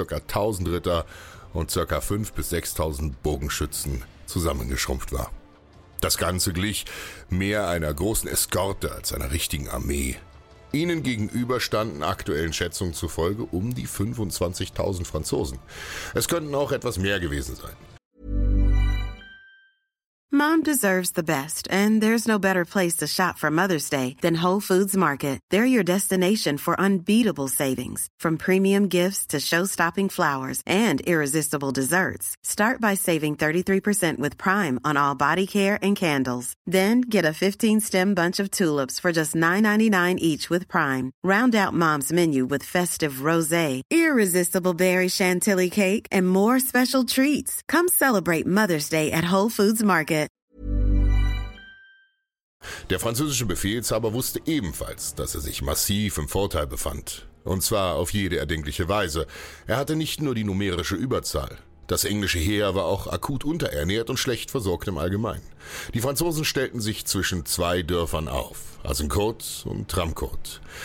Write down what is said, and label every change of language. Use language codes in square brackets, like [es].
[de] 1.000 Ritter und ca. 5.000 bis 6.000 Bogenschützen zusammengeschrumpft war. Das Ganze glich mehr einer großen Eskorte als einer richtigen Armee. Ihnen gegenüber standen aktuellen Schätzungen zufolge um die 25.000 Franzosen. Es könnten auch etwas mehr gewesen sein. [en] Mom deserves the best, and there's no better place to shop for Mother's Day than Whole Foods Market. They're your destination for unbeatable savings, from premium gifts to show-stopping flowers and irresistible desserts. Start by saving 33% with Prime on all body care and candles. Then get a 15-stem bunch of tulips for just $9.99 each with Prime. Round out Mom's menu with festive rosé, irresistible berry chantilly cake, and more special treats. Come celebrate Mother's Day at Whole Foods Market. [de] Der französische Befehlshaber wusste ebenfalls, dass er sich massiv im Vorteil befand. Und zwar auf jede erdenkliche Weise. Er hatte nicht nur die numerische Überzahl. Das englische Heer war auch akut unterernährt und schlecht versorgt im Allgemeinen. Die Franzosen stellten sich zwischen zwei Dörfern auf, Azincourt und Tramcourt.